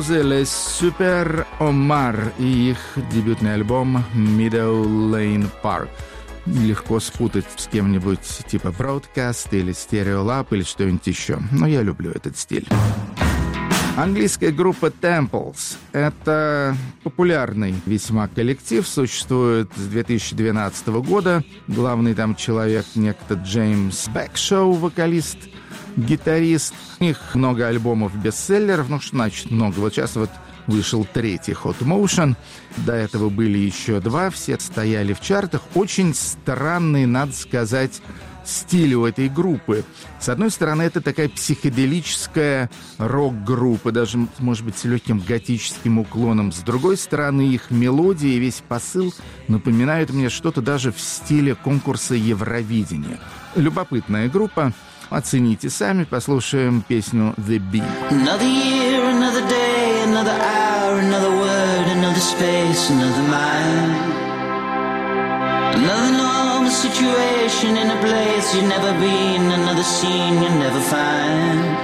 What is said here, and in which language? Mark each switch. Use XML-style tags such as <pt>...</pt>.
<ru>Les Super Omar и их дебютный альбом Meadow Lane Park. Легко спутать с кем-нибудь типа Broadcast или Stereo Lab или что-нибудь еще. Но я люблю этот стиль. Английская группа Temples — это популярный весьма коллектив, существует с 2012 года. Главный там человек — некто Джеймс Бэкшоу, вокалист, гитарист. У них много альбомов бестселлеров, ну что значит много? Вот сейчас вот вышел третий Hot Motion, до этого были еще два, все стояли в чартах. Очень странный, надо сказать, стиль у этой группы. С одной стороны, это такая психоделическая рок-группа, даже, может быть, с легким готическим уклоном. С другой стороны, их мелодии и весь посыл напоминают мне что-то даже в стиле конкурса Евровидения. Любопытная группа. Оцените сами, послушаем песню «The Bee».</ru> <en>Another year, another day, another hour, another word, another space, another mind. Another normal situation in a place you've never been, another scene you'll never find.</en>